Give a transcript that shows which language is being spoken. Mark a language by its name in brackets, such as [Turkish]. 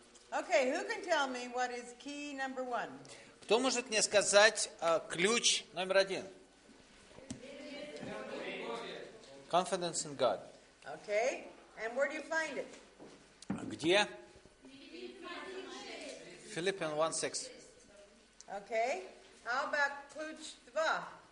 [English] Okay, who can tell me what is key number one? [Russian] Кто может мне сказать ключ номер один? [English] Confidence in God. Okay, and where do you find it? [Russian] Где? [English] Philippians 1:6. Okay, how about [Russian] ключ два?